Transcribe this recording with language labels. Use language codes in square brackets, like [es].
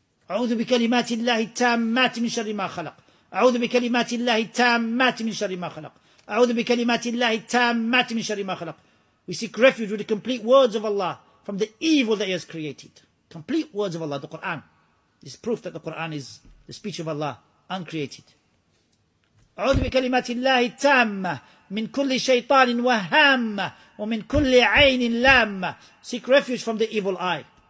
[ar] أعوذ بكلمات الله التامات من شر ما خلق. أعوذ بكلمات الله التامات من شر ما خلق. أعوذ بكلمات الله التامات من شر ما خلق. [en] We seek refuge with the complete words of Allah from the evil that He has created. Complete words of Allah, the Quran. This is proof that the Quran is the speech of Allah, uncreated. [ar] أعوذ بكلمات الله التامة من كل شيطان وهامة ومن كل عين لامة. [en] Seek refuge from the evil eye.